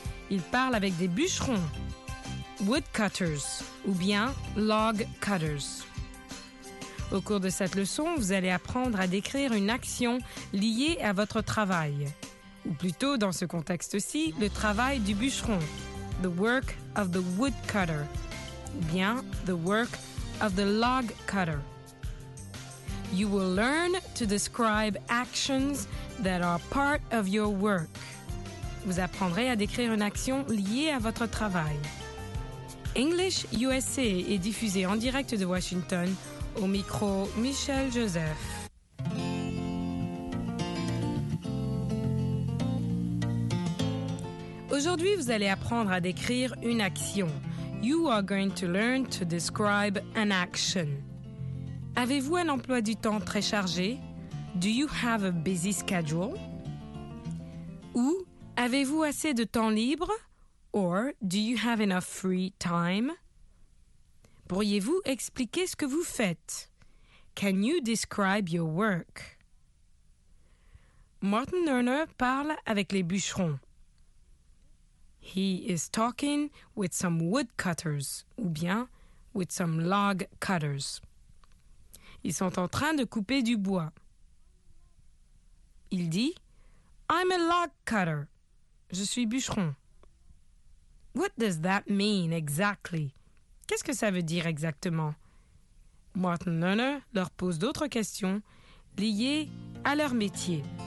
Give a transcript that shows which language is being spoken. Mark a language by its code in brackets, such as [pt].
[fr] Il parle avec des bûcherons, woodcutters ou bien log cutters. Au cours de cette leçon, vous allez apprendre à décrire une action liée à votre travail. Ou plutôt, dans ce contexte-ci, le travail du bûcheron. [en] The work of the woodcutter. [fr] Ou bien, [en] the work of the log cutter. You will learn to describe actions that are part of your work. [fr] Vous apprendrez à décrire une action liée à votre travail. English USA est diffusé en direct de Washington. Au micro, Michel Joseph. Aujourd'hui, vous allez apprendre à décrire une action. [en] You are going to learn to describe an action. [fr] Avez-vous un emploi du temps très chargé? [en] Do you have a busy schedule? [fr] Ou avez-vous assez de temps libre? [en] Or do you have enough free time? [fr] Pourriez-vous expliquer ce que vous faites? [en] Can you describe your work? [fr] Martin Lerner parle avec les bûcherons. [en] He is talking with some woodcutters, [fr] ou bien [en] with some log cutters. [fr] Ils sont en train de couper du bois. Il dit, [en] I'm a log cutter. [fr] Je suis bûcheron. [en] What does that mean exactly? [fr] Qu'est-ce que ça veut dire exactement? Martin Lerner leur pose d'autres questions liées à leur métier.